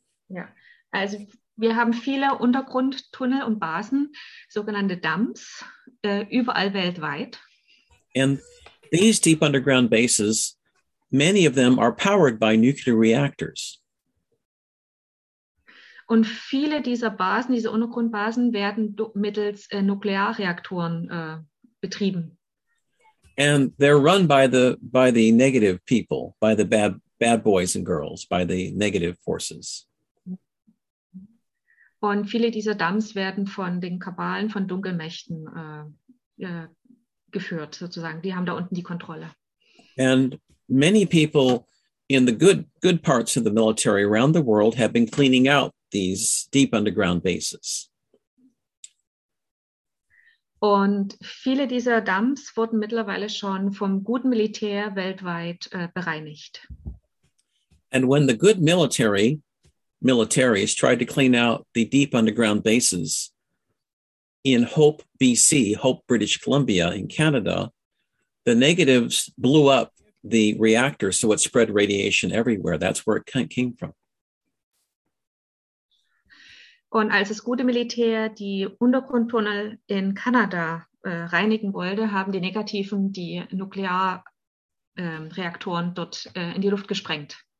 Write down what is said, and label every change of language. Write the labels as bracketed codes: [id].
[de] Ja, also wir haben viele Untergrundtunnel und Basen, sogenannte DUMBs, überall weltweit. [en] And these deep underground bases, many of them are powered by nuclear reactors. [de] Und viele dieser Basen, diese Untergrundbasen, werden mittels Nuklearreaktoren betrieben. [en] And they're run by the negative people, by the bad boys and girls, by the negative forces. [de] Und viele dieser Dumps werden von den Kabalen, von Dunkelmächten geführt, sozusagen. Die haben da unten die Kontrolle. [en] And many people in the good parts of the military around the world have been cleaning out these deep underground bases. [de] Und viele dieser Dumps wurden mittlerweile schon vom guten Militär weltweit bereinigt. [en] And when the good militaries tried to clean out the deep underground bases in Hope, BC, Hope, British Columbia in Canada, the negatives blew up the reactor, so it spread radiation everywhere. That's where it came from. [de] Und als das gute Militär die Untergrundtunnel in Kanada reinigen wollte, haben die Negativen die Nuklearreaktoren dort in die Luft gesprengt.